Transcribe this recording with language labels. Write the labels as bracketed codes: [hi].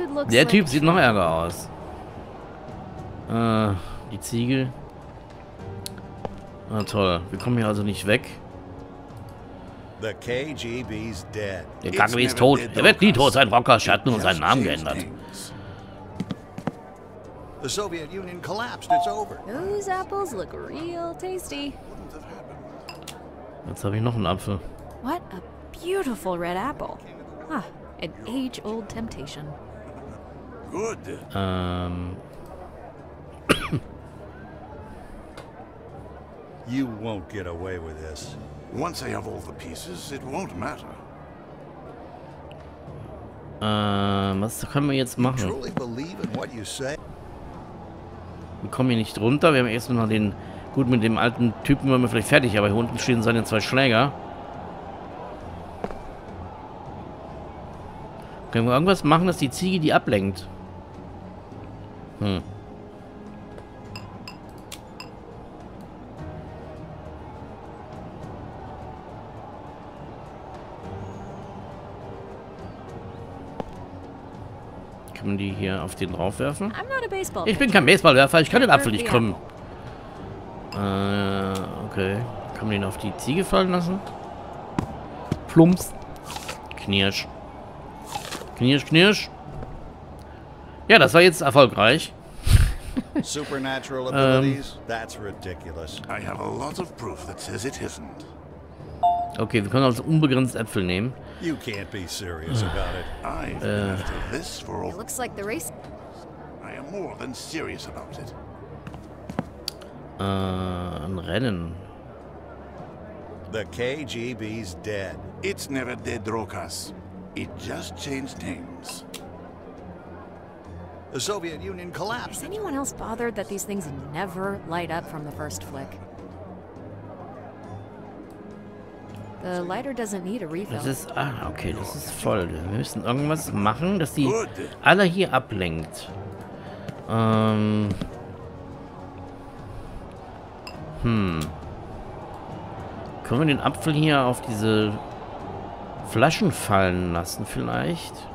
[de] Der Typ sieht noch ärger aus. Die Ziegel. Na toll, wir kommen hier also nicht weg. Der KGB ist tot. Er wird nie tot sein, Rocker. Er hat nur seinen Namen geändert. [en] The Soviet Union collapsed. It's over. Those apples look real tasty. [de] Jetzt habe ich noch einen Apfel. [en] What a beautiful red apple. Ah, an age-old temptation. Good. You won't get away with this. Once I have all the pieces, it won't matter. [de] Was können wir jetzt machen? [en] Truly believe in what you say? [de] Wir kommen hier nicht runter. Wir haben erstmal den. Gut, mit dem alten Typen waren wir vielleicht fertig, aber hier unten stehen seine zwei Schläger. Können wir irgendwas machen, dass die Ziege die ablenkt? Können wir die hier auf den drauf werfen? Ich bin kein Baseballwerfer, ich kann den Apfel nicht krümmen. Okay. Kann man den auf die Ziege fallen lassen? Plumps. Knirsch. Knirsch, knirsch. Ja, das war jetzt erfolgreich. [en] Supernatural abilities? That's ridiculous. I have a lot of proof that says it isn't. [de] Okay, wir können also unbegrenzt Äpfel nehmen. [en] You can't be serious about it. I've been after this for a... It looks like the race... I am more than serious about it. [de] Ein Rennen. [en] The KGB's dead. It's never dead, Rokas. It just changed names. The Soviet Union collapsed. Is anyone else bothered that these things never light up from the first flick? The lighter doesn't need a refill. [de] Das ist, ah, okay, das ist voll. Wir müssen irgendwas machen, dass die Good. Alle hier ablenkt. Können wir den Apfel hier auf diese Flaschen fallen lassen vielleicht?